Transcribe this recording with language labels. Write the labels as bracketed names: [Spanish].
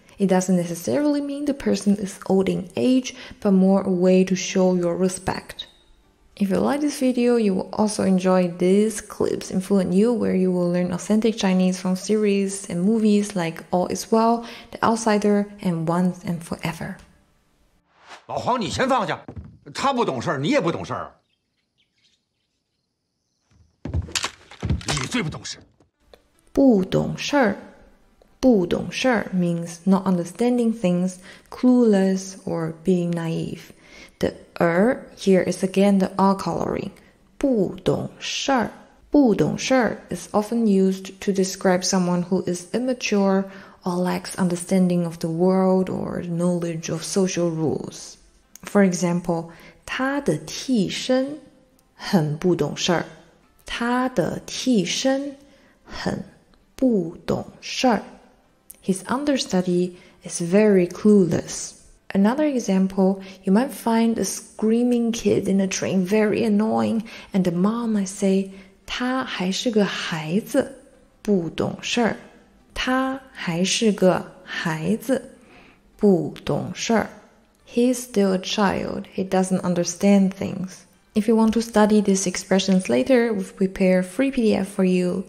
[English] It doesn't necessarily mean the person is old in age, but more a way to show your respect. If you like this video, you will also enjoy these clips in FluentU where you will learn authentic Chinese from series and movies like All Is Well, The Outsider, and Once and Forever. [Chinese] 老黄，你先放下，他不懂事儿，你也不懂事儿。你最不懂事。不懂事儿。 [English] 不懂事 means not understanding things, clueless, or being naive. The 而 here is again the R coloring. 不懂事儿。不懂事儿 is often used to describe someone who is immature or lacks understanding of the world or knowledge of social rules. For example, [Chinese] 他的替身很不懂事儿。他的替身很不懂事儿。 [English] His understudy is very clueless. Another example, you might find a screaming kid in a train very annoying, and the mom might say, [Chinese] 他还是个孩子不懂事儿。他还是个孩子不懂事儿。 [English] He's still a child. He doesn't understand things. If you want to study these expressions later, we've prepared a free PDF for you.